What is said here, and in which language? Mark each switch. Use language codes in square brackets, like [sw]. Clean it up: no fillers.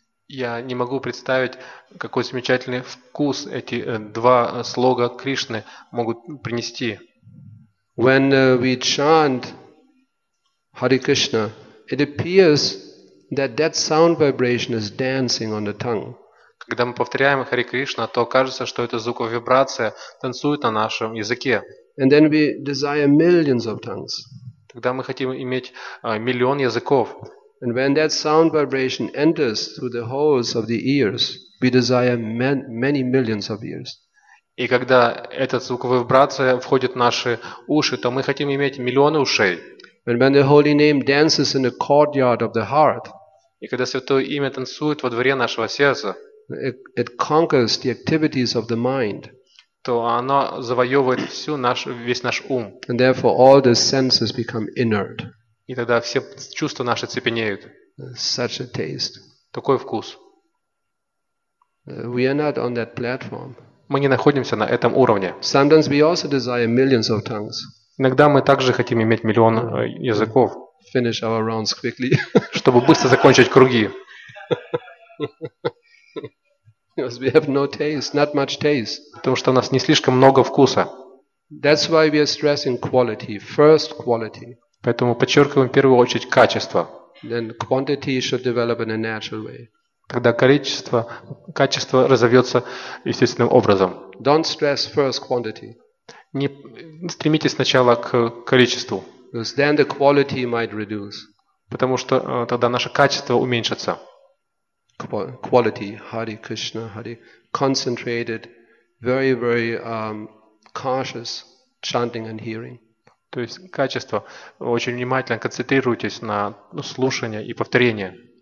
[ru] Я не могу представить, какой замечательный вкус эти два слога Кришны могут принести. [en] When we chant Hare Krishna, it appears that sound vibration is dancing on the tongue. [ru] Когда мы повторяем Хари Кришна, то кажется, что эта звуковая вибрация танцует на нашем языке. [en] And then we desire millions of tongues. [ru] Тогда мы хотим иметь миллион языков. [en] And when that sound vibration enters through the holes of the ears, we desire many millions of ears. [ru] И когда эта звуковая вибрация входит в наши уши, то мы хотим иметь миллионы ушей. [en] And when the holy name dances in the courtyard of the heart, [ru] и когда святое имя танцует во дворе нашего сердца, [en] it conquers the activities of the mind, [ru] то оно завоевывает всю наш, весь наш ум, [en] and therefore all the senses become inert, [ru] и тогда все чувства наши цепенеют. [en] Such a taste, [ru] такой вкус. [en] We are not on that platform. [ru] Мы не находимся на этом уровне. [en] Sometimes we also desire millions of tongues. [ru] Иногда мы также хотим иметь миллион языков, [en] finish our rounds quickly. [ru] Чтобы быстро закончить круги. [en] We have no taste, not much taste. [ru] Потому что у нас не слишком много вкуса. [en] That's why we are stressing quality, first quality. [ru] Поэтому подчеркиваем в первую очередь качество. [en] Then quantity should develop in a natural way. [ru] тогда качество разовьется естественным образом. [en] Don't stress first quantity. [ru] Не стремитесь сначала к количеству. [en] Because then the quality might reduce. [ru] Потому что тогда наше качество уменьшится. [en] Quality, Hare Krishna, Hare, concentrated, very, very cautious chanting and hearing. [ru] То есть качество. Очень внимательно концентрируйтесь на слушание и повторение.